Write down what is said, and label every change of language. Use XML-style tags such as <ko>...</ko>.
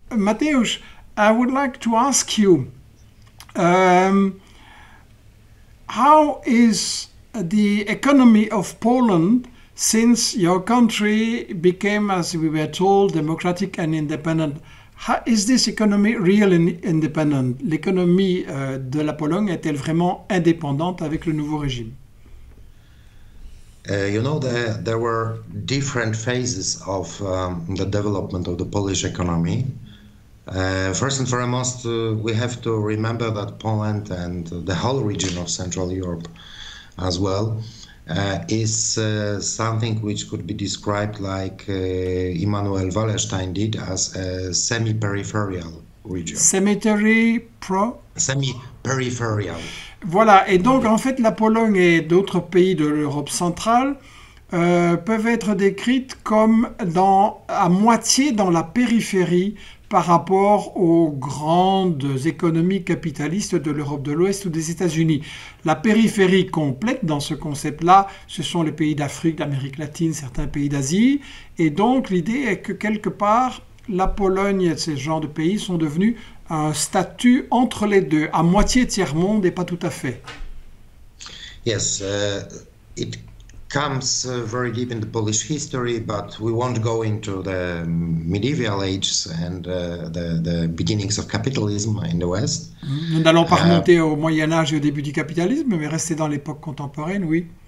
<en>Mateusz, I would like to ask you, how is the economy of Poland since your country became, as we were told, democratic and independent? How, is this economy real and independent?</en> <fr>L'économie de la Pologne est-elle vraiment indépendante avec le nouveau régime?</fr> <en>There were different phases of the development of the Polish economy. First and foremost, we have to remember that Poland and the whole region of Central Europe as well is something which could be described like Immanuel Wallerstein did as a semi-peripheral region. Cemetery Pro. Semi-peripheral.</en> <fr>Voilà, et donc en fait la Pologne et d'autres pays de l'Europe centrale peuvent être décrites comme dans, à moitié dans la périphérie par rapport aux grandes économies capitalistes de l'Europe de l'Ouest ou des États-Unis. La périphérie complète dans ce concept-là, ce sont les pays d'Afrique, d'Amérique latine, certains pays d'Asie, et donc l'idée est que quelque part, la Pologne et ces genres de pays sont devenus un statut entre les deux, à moitié tiers-monde et pas tout à fait.</fr> <en>Yes, it comes very deep in the Polish history, but we won't go into the medieval ages and the beginnings of capitalism in the West.</en> <fr>N'allons pas remonter au Moyen Âge et au début du capitalisme, mais rester dans l'époque contemporaine, oui.</fr>